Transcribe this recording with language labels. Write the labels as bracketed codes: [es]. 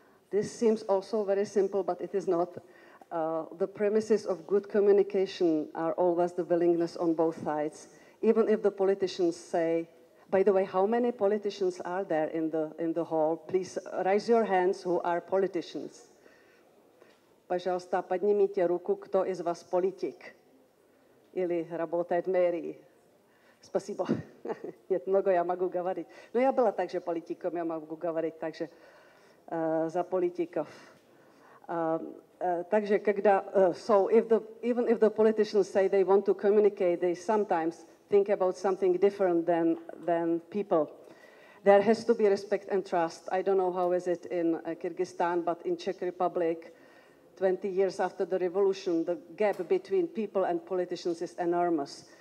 [en] This seems also very simple, but it is not. The premises of good communication are always the willingness on both sides, even if the politicians say, by the way, how many politicians are there in the hall? Please raise your hands who are politicians. [ru] Пожалуйста, поднимите руку, кто из вас политик или работает в мэрии. Спасибо. Нет, много я могу говорить. Но я была также политиком, я могу говорить также за политиков. [cs] Takže [ru] когда, [en] so if the, even if the politicians say they want to communicate, they sometimes think about something different than people. There has to be respect and trust. I don't know how is it in Kyrgyzstan, but in Czech Republic, 20 years after the revolution, the gap between people and politicians is enormous.